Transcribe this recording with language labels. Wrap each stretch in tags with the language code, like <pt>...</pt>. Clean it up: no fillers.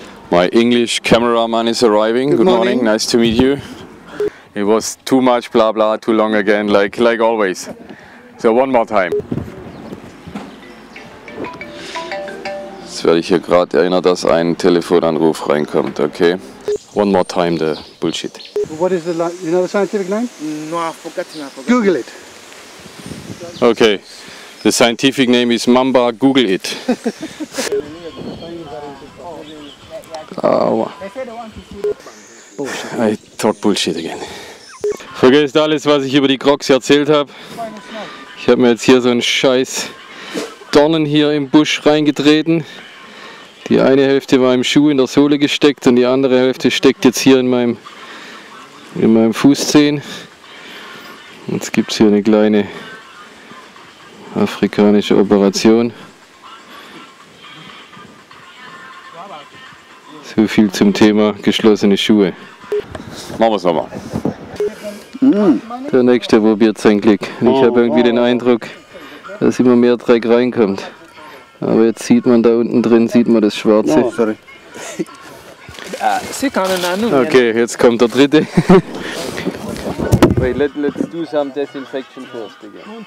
<en>My English cameraman is arriving. Good morning. Nice to meet you. It was too much blah blah, too long again, like always. So one more time.</en> <de>Jetzt werde ich hier gerade erinnert, dass ein Telefonanruf reinkommt, okay?</de> <en>One more time the bullshit. What is the line? You know the scientific name? No, I forgot. Google it. Okay. The scientific name is Mamba, Google it. I thought bullshit again.</en> <de>Vergesst alles, was ich über die Crocs erzählt habe. Ich habe mir jetzt hier so einen scheiß Dornen hier im Busch reingetreten. Die eine Hälfte war im Schuh in der Sohle gesteckt und die andere Hälfte steckt jetzt hier in meinem Fußzehen. Jetzt gibt es hier eine kleine afrikanische Operation. So viel zum Thema geschlossene Schuhe. Machen wir es nochmal. Der nächste probiert sein Glück. Ich habe irgendwie den Eindruck, dass immer mehr Dreck reinkommt. Aber jetzt sieht man da unten drin, sieht man das Schwarze. Okay, jetzt kommt der dritte.</de> <en>Wait, let's do some disinfection first again.</en>